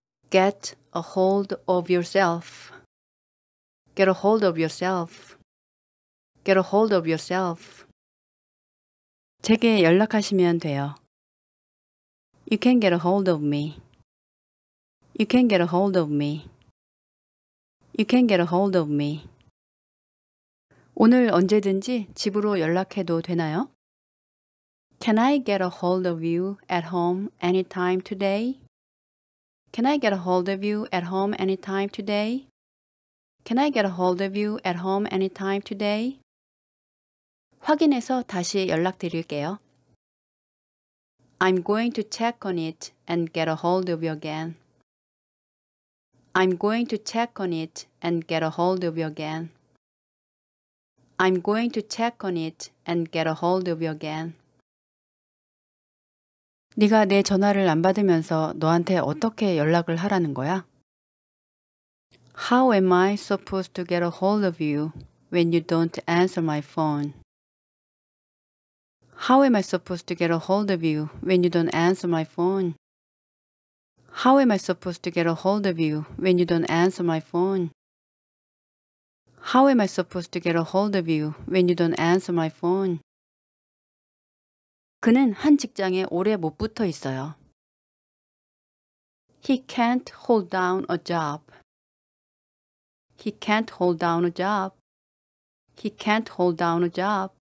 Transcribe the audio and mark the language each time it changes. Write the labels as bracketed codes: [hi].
[en] Get a hold of yourself. Get a hold of yourself. Get a hold of yourself. [ko] 제게 연락하시면 돼요. [en] You can get a hold of me. You can get a hold of me. You can get a hold of me. [ko] 오늘 언제든지 집으로 연락해도 되나요? [en] Can I get a hold of you at home anytime today? Can I get a hold of you at home anytime today? Can I get a hold of you at home anytime today? [ko] 확인해서 다시 연락드릴게요. [en] I'm going to check on it and get a hold of you again. I'm going to check on it and get a hold of you again. I'm going to check on it and get a hold of you again. [ko] 네가 내 전화를 안 받으면서 너한테 어떻게 연락을 하라는 거야? [en] How am I supposed to get a hold of you when you don't answer my phone? How am I supposed to get a hold of you when you don't answer my phone? How am I supposed to get a hold of you when you don't answer my phone? How am I supposed to get a hold of you when you don't answer my phone? [ko] 그는 한 직장에 오래 못 붙어 있어요. [en] He can't hold down a job. He can't hold down a job. He can't hold down a job.